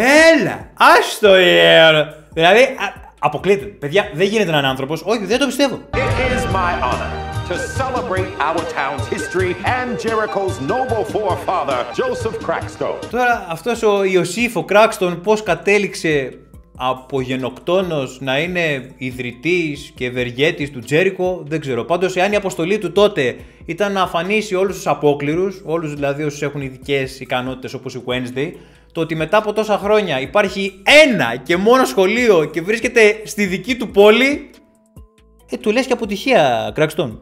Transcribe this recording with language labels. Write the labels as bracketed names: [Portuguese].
[Greek] Έλα, άστο ιερ. Δηλαδή, αποκλείται. Παιδιά, δεν γίνεται να είναι άνθρωπος. Όχι, δεν το πιστεύω. [English] It is my honor. To celebrate our town's history and Jericho's noble forefather, Joseph Crackstone. [Greek] Τώρα, αυτός ο Ιωσήφ, ο Κράκστον, πώς κατέληξε από γενοκτόνος να είναι ιδρυτής και ευεργέτης του Τζέρικο, δεν ξέρω. Πάντως, εάν η αποστολή του τότε ήταν να αφανίσει όλους τους απόκληρους, όλους δηλαδή όσους έχουν ειδικές ικανότητες όπως η Wednesday, το ότι μετά από τόσα χρόνια υπάρχει ένα και μόνο σχολείο και βρίσκεται στη δική του πόλη, του λες και αποτυχία, Κράκστον.